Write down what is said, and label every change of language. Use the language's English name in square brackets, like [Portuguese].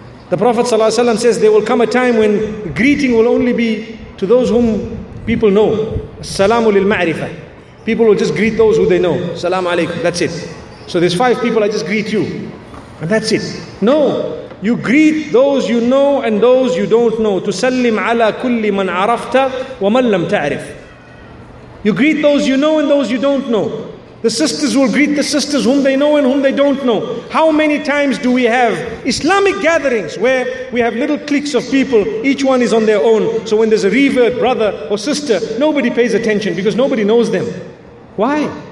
[English] The Prophet ﷺ says there will come a time when greeting will only be to those whom people know. [Arabic] As-salamu lil-ma'rifah. [English] People will just greet those who they know. Salaam alaikum. That's it. So there's five people, I just greet you. And that's it. No. You greet those you know and those you don't know. [Arabic] تسلم على كل من عرفت ومن لم تعرف. [English] You greet those you know and those you don't know. The sisters will greet the sisters whom they know and whom they don't know. How many times do we have Islamic gatherings where we have little cliques of people, each one is on their own. So when there's a revert, brother or sister, nobody pays attention because nobody knows them. Why?